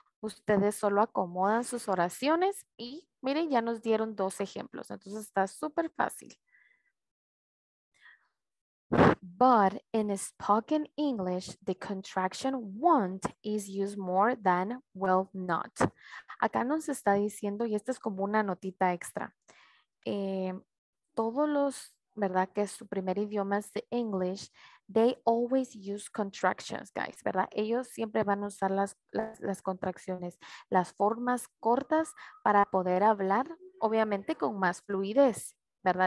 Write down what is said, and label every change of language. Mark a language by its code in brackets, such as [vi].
[es] Ustedes solo acomodan sus oraciones y miren, ya nos dieron dos ejemplos. Entonces está súper fácil. [en] But in spoken English, the contraction won't is used more than will not. [es] Acá nos está diciendo, y esta es como una notita extra, todos los, ¿verdad? Que su primer idioma es [en] the English, they always use contractions, guys, [es] ¿verdad? Ellos siempre van a usar las contracciones, las formas cortas para poder hablar, obviamente, con más fluidez, ¿verdad?